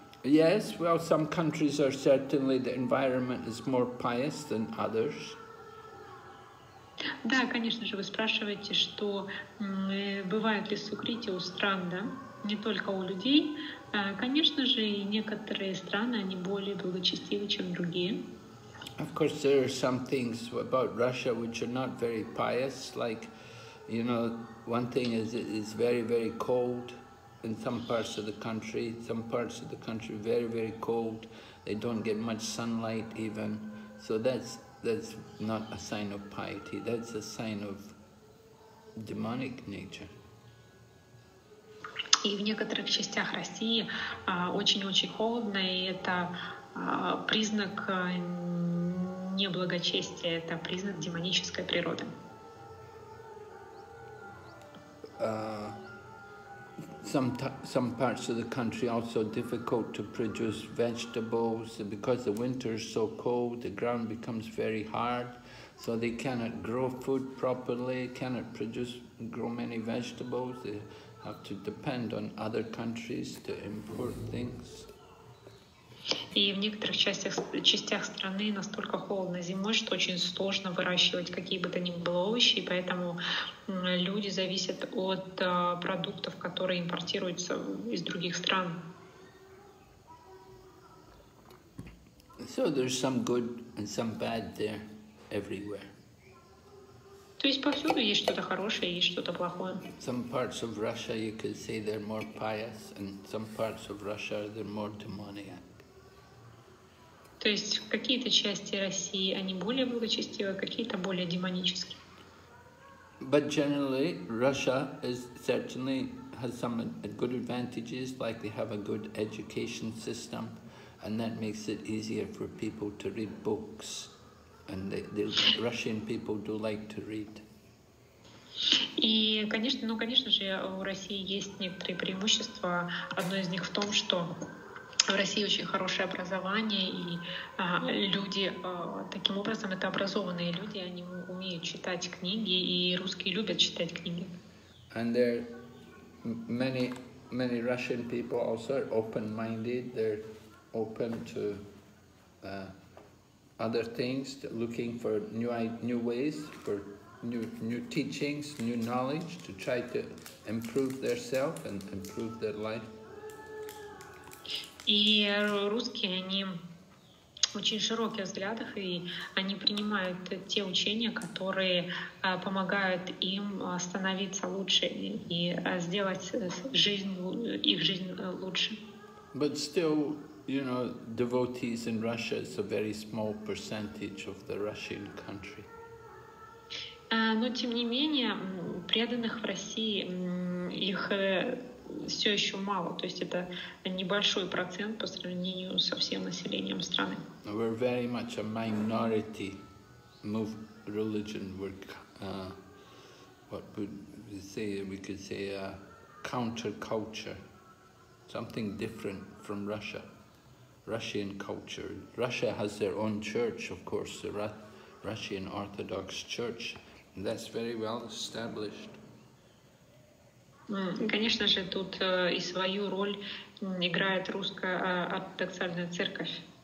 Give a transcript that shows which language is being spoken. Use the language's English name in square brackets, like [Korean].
[English] Yes, well, some countries are certainly, the environment is more pious than others. [Russian] Да, конечно же, вы спрашиваете, что бывает ли Сукрити у стран, да, не только у людей. Конечно же, и некоторые страны, они более благочестивы, чем другие. [English] Of course, there are some things about Russia which are not very pious, like, you know, one thing is it's very, very cold. In some parts of the country, very, very cold. They don't get much sunlight even. So that's not a sign of piety. That's a sign of demonic nature. [Russian] И в некоторых частях России очень-очень холодно, и это признак неблагочестия. Это признак демонической природы. [English] Some parts of the country also difficult to produce vegetables because the winter is so cold, the ground becomes very hard, so they cannot grow food properly, cannot produce, grow many vegetables, they have to depend on other countries to import things. [Russian] И в некоторых частях страны настолько холодно зимой, что очень сложно выращивать какие бы то ни было овощи, и поэтому люди зависят от продуктов, которые импортируются из других стран. [English] So there's some good and some bad there everywhere. [Russian] То есть повсюду есть что-то хорошее и есть что-то плохое. [English] Some parts of Russia you could say they're more pious, and some parts of Russia they're more demoniac. [Russian] То есть в какие-то части России они более благочестивы, какие-то более демонические. [English] But generally Russia is certainly has some good advantages, like they have a good education system, and that makes it easier for people to read books, and the Russian people do like to read. [Russian] И, конечно, ну, конечно же, у России есть некоторые преимущества. Одно из них в том, что в России очень хорошее образование, и люди, таким образом, это образованные люди, они умеют читать книги, и русские любят читать книги. [English] And there are many, many Russian people also are open-minded, they're open to other things, looking for new ways, for new teachings, new knowledge, to try to improve their self and improve their life. [Russian] И русские, они очень широких взглядах, и они принимают те учения, которые помогают им становиться лучше и сделать их жизнь лучше. [English] But still, you know, devotees in Russia is a very small percentage of the Russian country. [Russian] Но тем не менее, преданных в России их все еще мало, то есть это небольшой процент по сравнению со всем населением страны. [English] We're very much a minority move religion. We're what would we say? We could say a counterculture, something different from Russia. Russian culture. Russia has their own church, of course, the Russian Orthodox Church, and that's very well established. [Russian] Конечно же, тут и свою роль играет русская ортодоксальная церковь.